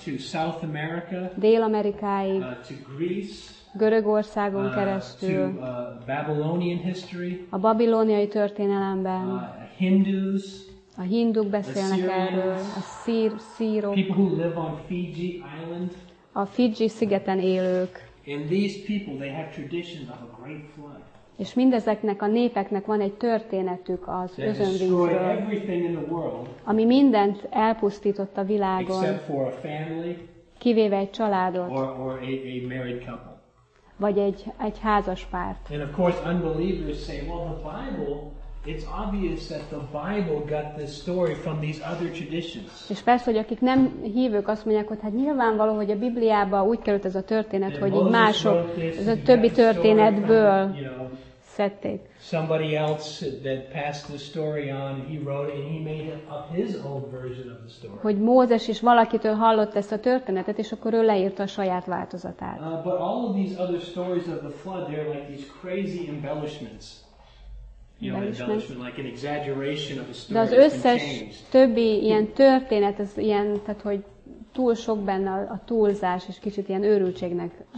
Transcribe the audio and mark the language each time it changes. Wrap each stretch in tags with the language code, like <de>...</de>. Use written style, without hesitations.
<en>to South America,</en> <hu>Dél-Amerikáig,</hu> <en>to Greece,</en> <hu>Görögországon keresztül,</hu> <en>to Babylonian history,</en> <hu>a babiloniai történelemben,</hu> <en>Hindus,</en> <hu>a hinduk beszélnek erről, a szírok,</hu> <en>people who live on Fiji Island,</en> <hu>a Fiji szigeten élők.</hu> <en>And these people, they have traditions of a great flood.</en> <hu>És mindezeknek a népeknek van egy történetük az özönvízről, ami mindent elpusztított a világon,</hu> <en>except for a family,</en> <hu>kivéve egy családot,</hu> <en>or a married couple.</en> <hu>Vagy egy házas párt.</hu> <en>And of course, unbelievers say, well, the Bible, it's obvious that the Bible got this story from these other traditions.</en> <hu>És persze, hogy akik nem hívők, azt mondják, hogy hát nyilvánvaló, hogy a Bibliába úgy került ez a történet,</hu> <en>and</en> <hu>hogy</hu> <en>Moses</en> <hu>mások,</hu> <en>this,</en> <hu>ez a többi történetből</hu> <en>from, you know,</en> <hu>szedték.</hu> <en>Somebody else that passed the story on, he wrote it, and he made up his own version of the story.</en> <hu>Hogy Mózes is valakitől hallott ezt a történetet, és akkor ő leírta a saját változatát.</hu> <en>But all of these other stories of the flood, they're like these crazy embellishments. You know, embellishment, like an exaggeration of a story.</en> <hu>De az összes többi ilyen történet, ez ilyen, tehát hogy túl sok benne a túlzás, és kicsit ilyen őrültségnek</hu>